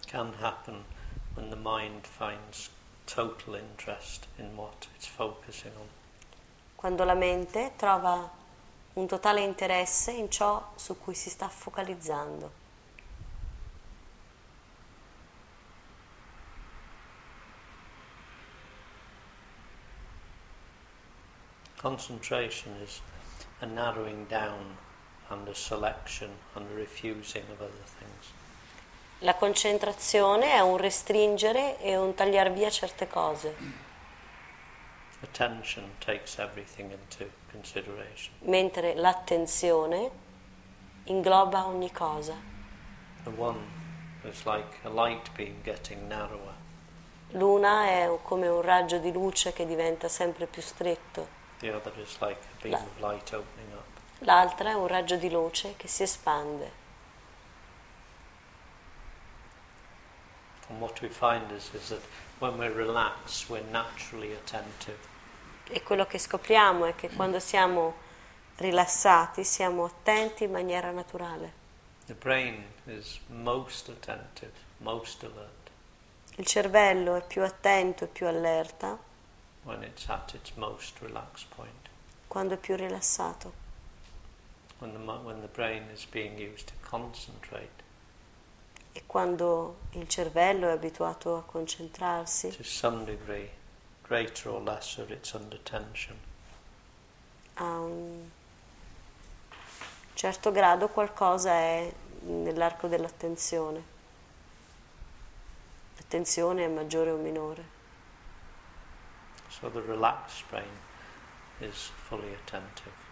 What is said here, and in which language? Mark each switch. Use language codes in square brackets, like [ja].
[en] Can happen when the mind finds total interest in what it's focusing on. [it] Quando la mente trova un totale interesse in ciò su cui si sta focalizzando. [en] Concentration is a narrowing down and a selection and a refusing of other things. [it] La concentrazione è un restringere e un tagliar via certe cose. [en] Attention takes everything into consideration. [it] Mentre l'attenzione ingloba ogni cosa. [en] The one is like a light beam getting narrower. [it] L'una è come un raggio di luce che diventa sempre più stretto. [en] The other is like a beam of light opening up. [it] L'altra è un raggio di luce che si espande. [en] And what we find is that when we relax, we're naturally attentive. [it] E quello che scopriamo è che quando siamo rilassati, siamo attenti in maniera naturale. [en] The brain is most attentive, most alert. [it] Il cervello è più attento e più allerta. [en] When it's at its most relaxed point. [it] Quando è più rilassato. [en] When the brain is being used to concentrate. [it] E quando il cervello è abituato a concentrarsi. [en] To some degree, greater or lesser, it's under tension. [it] A un certo grado qualcosa è nell'arco dell'attenzione. L'attenzione è maggiore o minore. [en] So the relaxed brain is fully attentive.